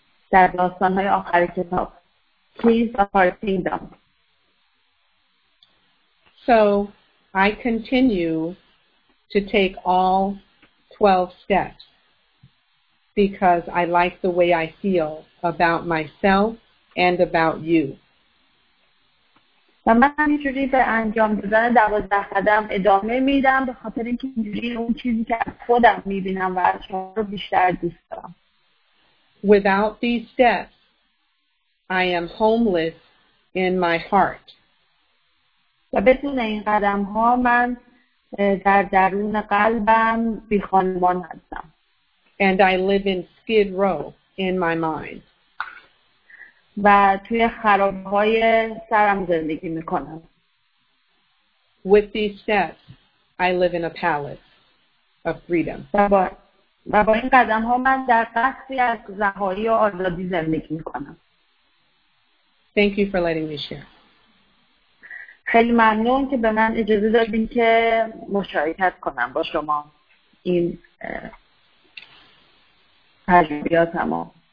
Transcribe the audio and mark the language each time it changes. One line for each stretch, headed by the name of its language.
Persian: در داستان‌های آخر کتاب.
English: Keys of our kingdom. So, I continue to take all 12 steps because I like the way I feel about myself and about you.
Persian: و من همینجوری به انجام دادن 12 قدم ادامه میدم به خاطر اینکه اینجوری اون چیزی که از خودم میبینم و از شما رو بیشتر دوست دارم.
English: Without these steps, I am homeless in my heart.
Persian: و بدون این قدم ها من در درون قلبم بی خانمان هستم.
English: And I live in skid row in my mind.
Persian: و توی خرابهای سرم زندگی میکنم.
English: With these steps, I live in a palace of freedom.
Persian: و با این قدم ها من در قصری از رهایی و آزادی زندگی میکنم.
English: Thank you for letting me share.
Persian: خیلی ممنون که به من اجازه دادین که مشارکت کنم با شما این تجربیاتم.